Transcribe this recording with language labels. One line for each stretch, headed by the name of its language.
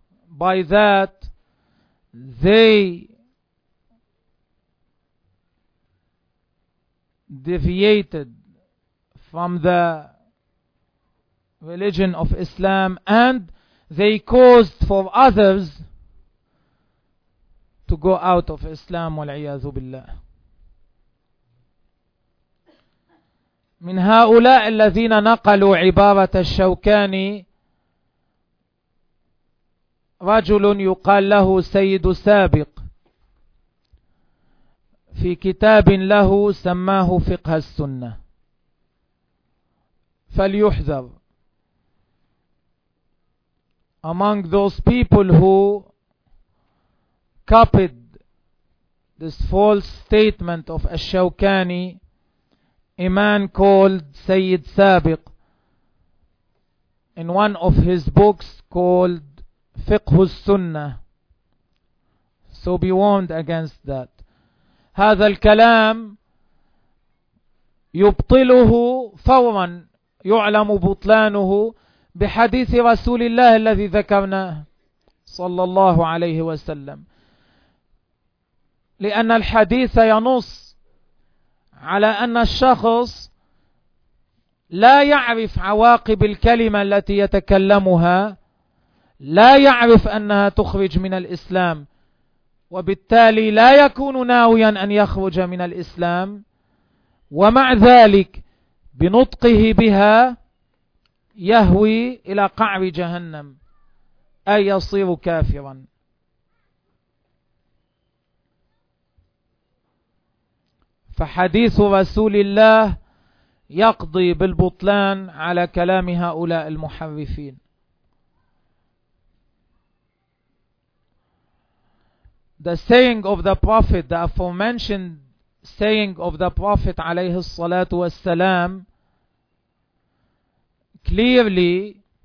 English: By that, they deviated from the religion of Islam, and they caused for others to go out of Islam,
Arabic: وَالْعِيَاذُ بِاللَّهِ. من هؤلاء الذين نقلوا عبارة الشوكاني رجل يقال له سيد سابق في كتاب له سماه فقه السنة، فليحذر.
English: Among those people who copied this false statement of Ash-Shawkani, a man called Sayyid Sabiq, in one of his books called Fiqh al-Sunnah. So be warned against that.
Arabic: هذا الكلام يبطله فورا يعلم بطلانه بحديث رسول الله الذي ذكرناه صلى الله عليه وسلم، لأن الحديث ينص على أن الشخص لا يعرف عواقب الكلمة التي يتكلمها، لا يعرف أنها تخرج من الإسلام، وبالتالي لا يكون ناويا أن يخرج من الإسلام، ومع ذلك بنطقه بها يهوي إلى قعر جهنم، أي يصير كافرا. فحديث رسول الله يقضي بالبطلان على كلام هؤلاء المحرفين.
English: The saying of the Prophet, the aforementioned saying of the Prophet
Arabic: عليه الصلاة والسلام,
English: clearly